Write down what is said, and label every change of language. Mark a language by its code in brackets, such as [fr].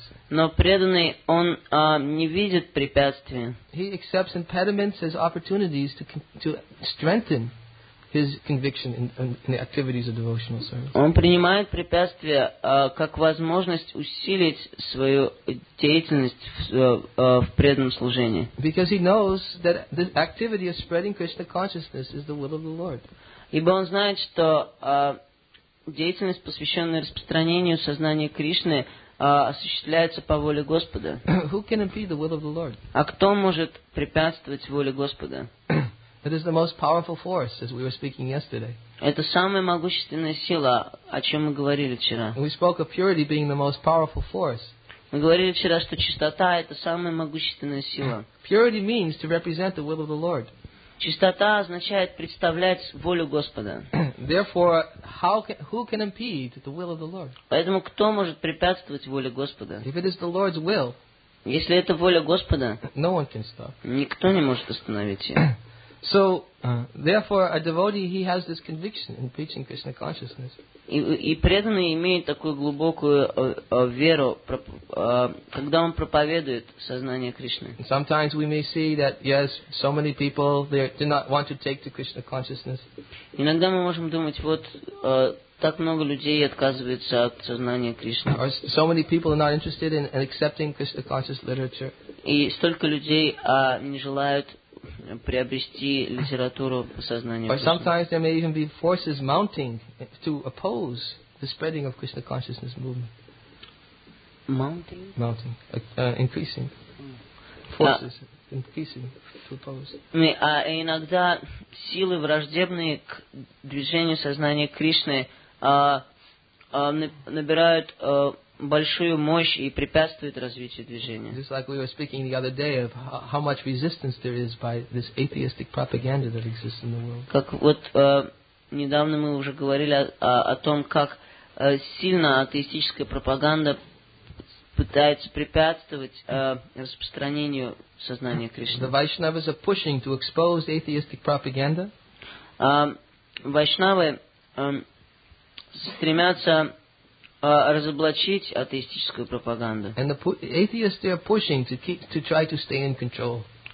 [ru] Но преданный, он не видит препятствий. [en] He accepts impediments as opportunities to strengthen his conviction in the activities of devotional service. [ru] Он принимает препятствия как возможность усилить свою деятельность в преданном служении. [en] Because he knows that the activity of spreading Krishna consciousness is the will of the Lord. [ru] Ибо он знает, что деятельность, посвященная распространению сознания Кришны, осуществляется по воле Господа. [en] Who can impede the will of the Lord? [ru] А кто может препятствовать воле Господа? [en] It is the most powerful force, as we were speaking yesterday. [ru] Это самая могущественная сила, о чем мы говорили вчера. [en] We spoke of purity being the most powerful force. [ru] Мы говорили вчера, что чистота это самая могущественная сила. [en] Purity means to represent the will of the Lord. [ru] Чистота означает представлять волю Господа. [en] Therefore, who can impede the will of the Lord? [ru] Поэтому кто может препятствовать воле Господа? [en] If it is the Lord's will, [ru] если это воля Господа, [en] no one can stop. [ru] Никто не может остановить ее. [en] So, therefore, a devotee, he has this conviction in preaching Krishna consciousness. [ru] И преданный имеет такую глубокую веру, когда он проповедует сознание Кришны. [en] Sometimes we may see that, yes, so many people, they do not want to take to Krishna consciousness. [ru] Иногда мы можем думать, вот так много людей отказывается от сознания Кришны. [en] Or so many people are not interested in accepting Krishna conscious literature. [ru] И столько людей не желают приобрести литературу сознания. [en] Or sometimes there may even be forces mounting to oppose the spreading of Krishna consciousness movement. Mounting. Increasing. Forces. Increasing, [ru] а иногда силы враждебные к движению сознания Кришны набирают большую мощь и препятствуют развитию движения. [en] Just like we were speaking the other day of how much resistance there is by this atheistic propaganda that exists in the world. [ru] Как вот недавно мы уже говорили о том, как сильно атеистическая пропаганда пытается препятствовать распространению сознания Кришны. [en] The Vaishnavas are pushing to expose atheistic propaganda. [ru] Вайшнавы стремятся разоблачить атеистическую пропаганду. [en] And the atheists are pushing to keep to try to stay in control.